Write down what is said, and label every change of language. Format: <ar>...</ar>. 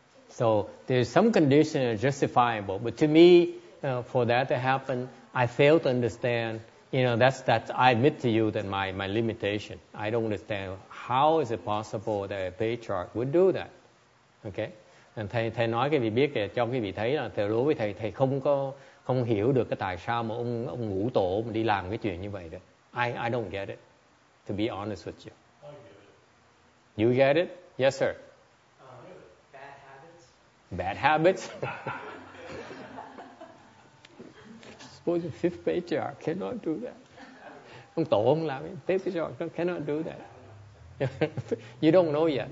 <en>So there's some condition that's justifiable. But to me, for that to happen, I fail to understand. You know, that's I admit to you that my limitation. I don't understand how is it possible that a patriarch would do that. Okay?</en> <vi>And thầy nói cái vị biết kìa, cho cái vị thấy là thầy đối với thầy không hiểu được cái tại sao mà ông ngũ tổ mà đi làm cái chuyện như vậy đấy.</vi> <en>I don't get it, to be honest with you. I get it. You get it? Yes, sir. Bad habits. Bad habits? Suppose the fifth patriarch cannot do that.</en> <vi>Ông tổ ông làm,</vi> <en>the fifth patriarch cannot do that. You don't know yet.</en>